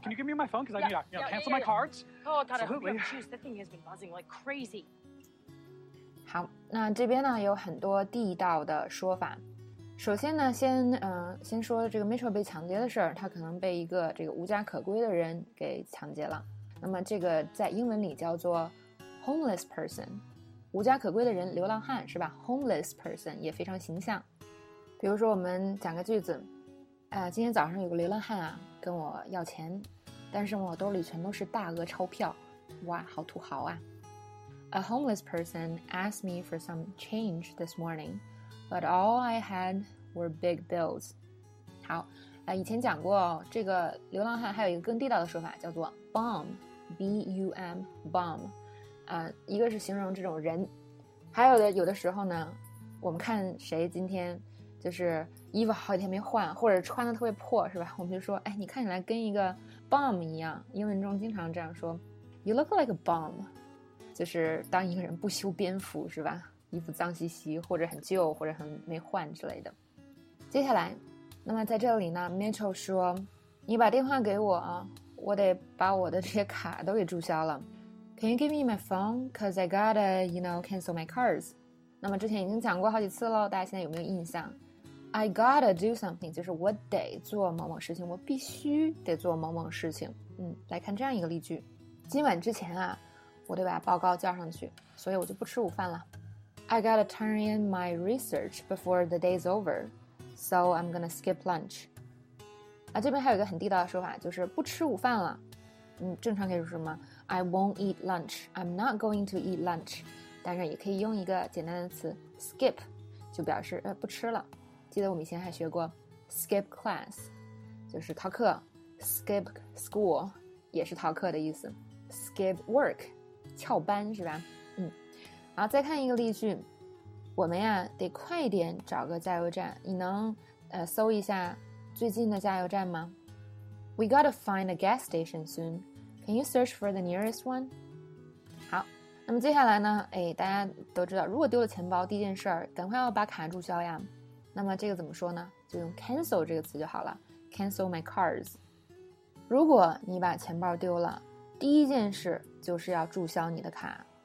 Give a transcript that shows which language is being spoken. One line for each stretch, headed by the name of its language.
English: Can you give me my phone? Because I need to cancel my cards. Oh god, absolutely. I hope you have juice. That thing has been buzzing like crazy.
Chinese: 好，那这边呢有很多地道的说法。首先呢，先说这个 Mitchell 被抢劫的事儿。他可能被一个这个无家可归的人给抢劫了。那么这个在英文里叫做 homeless person， 无家可归的人，流浪汉是吧 ？homeless person 也非常形象。比如说，我们讲个句子。今天早上有个流浪汉啊跟我要钱，但是我兜里全都是大额钞票，哇，好土豪啊。
English: A homeless person asked me for some change this morning, but all I had were big bills.
Chinese: 好，以前讲过这个流浪汉还有一个更地道的说法叫做 bum, B-U-M, bum。一个是形容这种人，还有的有的时候呢，我们看谁今天就是衣服好几天没换，或者穿的特别破，是吧？我们就说，哎，你看起来跟一个 bum 一样。英文中经常这样说 ，
English: You look like a bum，
Chinese: 就是当一个人不修边幅，是吧？衣服脏兮兮，或者很旧，或者很没换之类的。接下来，那么在这里呢 ，Mitchell 说，你把电话给我啊，我得把我的这些卡都给注销了。
English: Can you give me my phone? Cause I gotta, you know, cancel my cards。
Chinese: 那么之前已经讲过好几次了，大家现在有没有印象？
English: I gotta do something，
Chinese: 就是我得做某某事情，我必须得做某某事情。来看这样一个例句。今晚之前啊，我得把报告交上去，所以我就不吃午饭了。
English: I gotta turn in my research before the day's over, so I'm gonna skip lunch.
Chinese: 这边还有一个很地道的说法，就是不吃午饭了。正常可以说什么
English: ？I won't eat lunch. I'm not going to eat lunch.
Chinese: 但是也可以用一个简单的词 skip， 就表示不吃了。记得我们以前还学过 skip class， 就是逃课 ；skip school 也是逃课的意思 ；skip work， 翘班是吧？然后再看一个例句，我们呀得快点找个加油站。你能搜一下最近的加油站吗 ？
English: We gotta find a gas station soon. Can you search for the nearest one？
Chinese: 好，那么接下来呢？大家都知道，如果丢了钱包，第一件事儿，赶快要把卡注销呀。那么这个怎么说呢？就用 cancel 这个词就好了，
English: cancel my cards。
Chinese: 如果你把钱包丢了，第一件事就是要注销你的卡。